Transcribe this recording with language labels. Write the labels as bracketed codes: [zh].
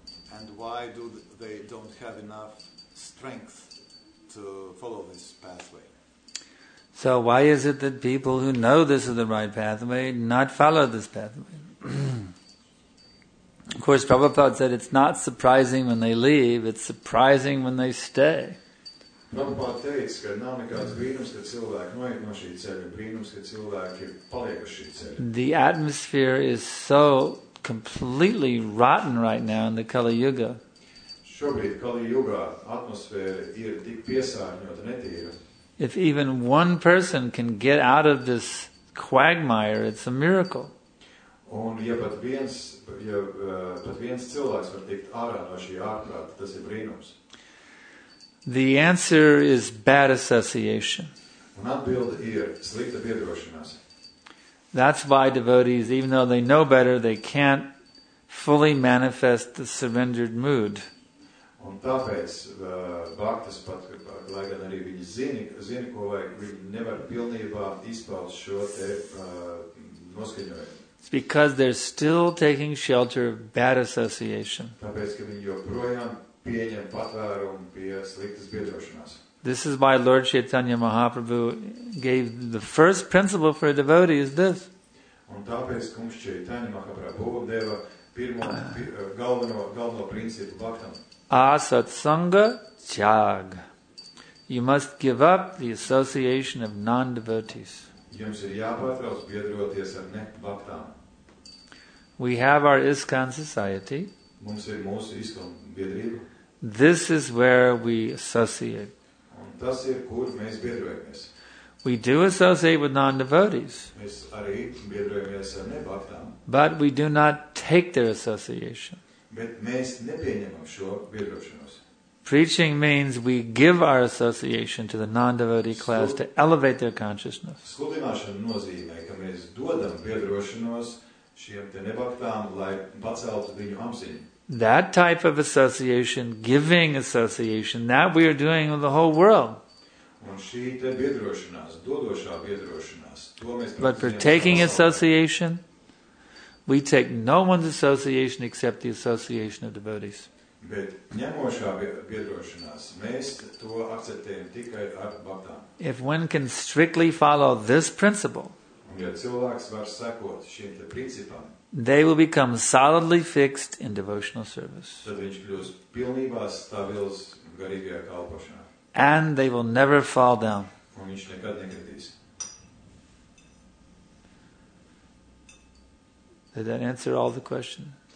[en] And why do they don't have enough strength to follow this pathway? So why is it that people who know this is the right pathway not follow this pathway? Of course, Prabhupada said it's not surprising when they leave, it's surprising when they stay. [lv] Prabhupada teica, ka nav nekāds brīnums, ka cilvēki noiet no šī ceļa, brīnums, ka cilvēki paliek uz šī ceļa. [en] The atmosphere is so completely rotten right now in the Kali Yuga. [lv] Šobrīd Kali Yuga atmosfēra ir tik piesārņota, netīra. [en] If even one person can get out of this quagmire, it's a miracle. [lv] Un ja pat viens, cilvēks var tikt ārā no šī ārprāta, tas ir brīnums. [en] The answer is bad association. [lv] Un atbilde ir slikta piedrošanās. [en] That's why devotees, even though they know better, they can't fully manifest the surrendered mood. [lv] Un tāpēc bhaktas pat, lai gan arī viņi zini, ko vajag, viņi nevar pilnībā izpaust šo te noskaņojumu. [en] It's because they're still taking shelter of bad association. [lv] Tāpēc, ka viņi joprojām pieņem patvērumu pie sliktas biedrošanās. [en] This is why Lord Chaitanya Mahaprabhu gave the first principle for a devotee is this. [lv] Un tāpēc kungs Chaitanya Mahaprabhu deva pirmo galveno principu bhaktam. [sa] Asat sanga tyag. [en] You must give up the association of non-devotees. [lv] Jums ir jāpatrauc biedroties ar ne bhaktām. [en] We have our ISKCON society. [lv] Mums ir mūsu ISKCON biedrība. [en] This is where we associate. [lv] Tas ir, kur mēs biedrojamies. [en] We do associate with non-devotees. [lv] Mēs arī biedrojamies ar nebaktām. [en] But we do not take their association. [lv] Bet mēs nepieņemam šo biedrošanos. [en] Preaching means we give our association to the non-devotee class to elevate their consciousness. [lv] Sludināšana nozīmē, ka mēs dodam biedrošanos šiem te nebaktām, lai paceltu viņu apziņu. [en] That type of association, giving association, that we are doing with the whole world. [lv] Un šī te biedrošanās, dodošā biedrošanās, to mēs [en] But for taking association, we take no one's association except the association of devotees. [lv] Bet ņemošā biedrošanās, mēs to akceptējam tikai ar baktām. [en] If one can strictly follow this principle, [lv] un ja cilvēks var sekot šiem te principam, [en] they will become solidly fixed in devotional service. [lv] Tad viņš kļūs pilnībā stabils garīgajā kalpošanā. [en] And they will never fall down. [lv] Un viņš nekad nekritīs. [en] Did that answer all the questions?